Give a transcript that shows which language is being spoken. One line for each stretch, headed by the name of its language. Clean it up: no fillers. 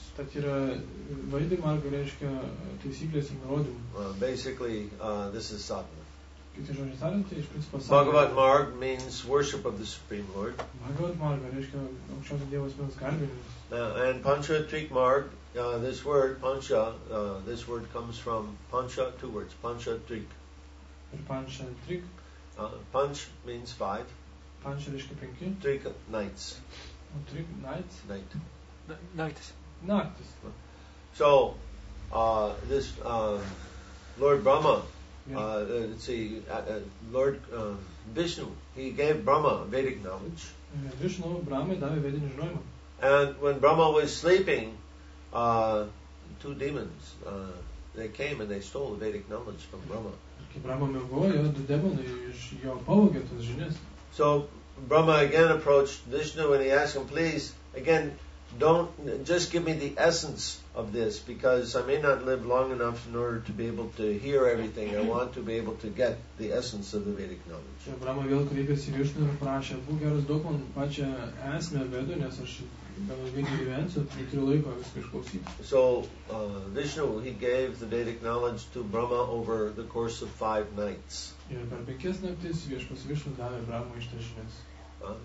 Lithuanian: Tad yra Vaidhi Marga, reiškia taisyklės ir nurodymai.
English: Basically, this is sadhana.
Lithuanian: Kiti žodžiai tariant, tai iš principo sadhana.
English: Bhagavat Marga means worship of the Supreme Lord.
Lithuanian: Bhagavat Marga, reiškia aukščiausio Dievo asmens garbinimas.
English: And Pancharatrik Marga, this word, pancha, this word comes from pancha, two words, Pancharatrik.
Lithuanian: Ir Pancharatrik?
English: Panch means five.
Lithuanian: Pancha, reiškia penki.
English: Trik, nights. Trik, nights? Night. Nights. So, this Lord Brahma, let's see, Lord Vishnu, he gave Brahma Vedic knowledge.
Lithuanian: Vishnu Brahma davė vedinį žinojimą.
English: And when Brahma was sleeping, two demons, they came and they stole the Vedic knowledge from Brahma.
Lithuanian: Kai Brahma miegojo, du demonai iš jo pavogė tas žinias.
English: So Brahma again approached Vishnu and he asked him, please, again, don't just give me the essence of this, because I may not live long enough in order to be able to hear everything. I want to be able to get the essence of the Vedic knowledge.
Lithuanian: Brahma vėl kreipėsi Vishnu ir prašė, būk geras, duok man pačią esmę vedu, nes aš gal ilgai gyvensiu, tai turiu laiko viską išklausyti.
English: So Vishnu, he gave the Vedic knowledge to Brahma over the course of five nights.
Lithuanian: Ir per penkias naktis viešpas Vishnu davė Brahma iš tas žinias.